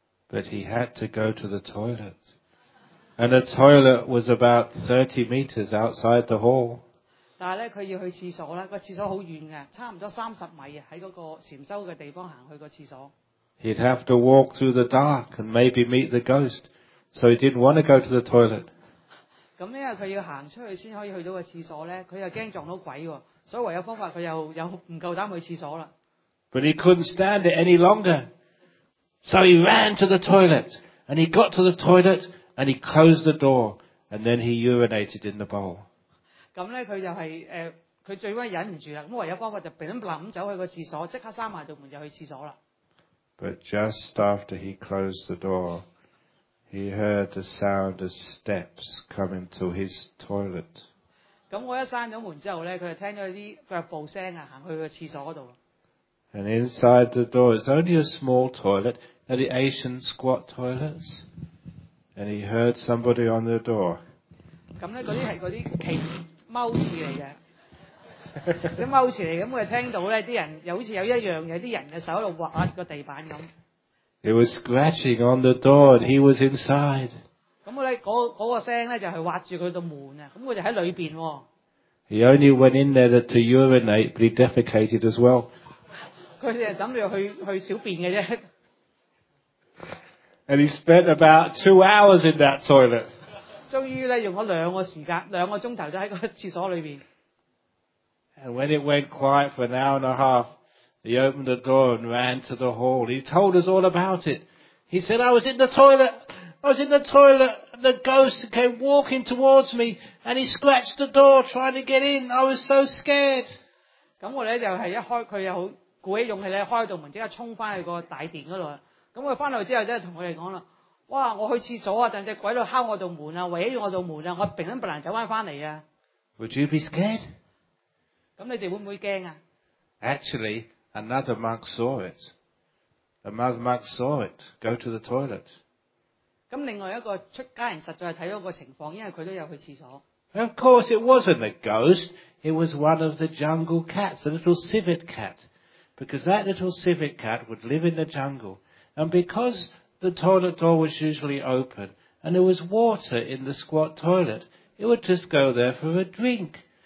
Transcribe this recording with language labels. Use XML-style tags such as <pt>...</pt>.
<en>But he had to go to the toilet, and the toilet was about 30 meters outside the hall.</en> <yue>但係咧，佢要去廁所啦，個廁所好遠嘅，差唔多30米啊，喺嗰個禪修嘅地方行去個廁所。</yue> <en>He'd have to walk through the dark and maybe meet the ghost, so he didn't want to go to the toilet.</en> <yue>咁因為佢要行出去先可以去到個廁所咧，佢又驚撞到鬼喎。所以唯有方法，佢又唔夠膽去廁所啦。</yue> <en>But he couldn't stand it any longer, so he ran to the toilet, and he got to the toilet, and he closed the door, and then he urinated in the bowl.</en> <yue>咁咧，佢就係佢最屘忍唔住啦。咁唯有方法就俾咁臨走去個廁所，即刻閂埋道門就去廁所啦。</yue> <en>But just after he closed the door, he heard the sound of steps coming to his toilet.</en> <yue>咁我一闩咗门之后咧，佢就听咗啲脚步声啊，行去个厕所嗰度。</yue> <en>And inside the door, it's only a small toilet, at the Asian squat toilets. And he heard somebody on the door.</en> <yue>咁咧，嗰啲系嗰啲企踎厕嚟嘅，啲踎厕嚟，咁佢听到咧，啲人又好似有一样，有啲人嘅手喺度挖个地板咁。</yue> <en>He was scratching on the door, and he was inside.</en> <yue>咁咧，嗰個聲咧就係挖住佢度門啊！咁佢就喺裏邊喎。</yue> <en>He only went in there to urinate, but he defecated as well.</en> <yue>佢哋係等住去小便嘅啫。</yue> <en>And he spent about 2 hours in that toilet.</en> <yue>終於咧用咗兩個鐘頭都喺個廁所裏邊。</yue> <en>And when it went quiet for an hour and a half, he opened the door and ran to the hall. He told us all about it. He said, I was in the toilet, and the ghost came walking towards me, and he scratched the door trying to get in. I was so scared.</en> <yue>咁我咧就係一開，佢又好鼓起勇氣咧，開到門即刻衝翻去個大殿嗰度。咁佢翻到之後咧，同我哋講啦：，哇！我去廁所啊，但只鬼佬敲我道門啊，圍起我道門啊，我平心不能走翻翻嚟啊。</yue> <en>Would you be scared?</en> <yue>咁你哋會唔會驚啊</yue> <en>？Actually, another monk saw it. Another monk saw it. Go to the toilet.</en> <yue>咁另外一個出家人實在睇到個情況，因為佢都有去廁所。</yue> <en>Of course, it wasn't a ghost. It was one of the jungle cats, a little civet cat, because that little civet cat would live in the jungle. And because the toilet door was usually open, and there was water in the squat toilet, it would just go there for a drink.</en>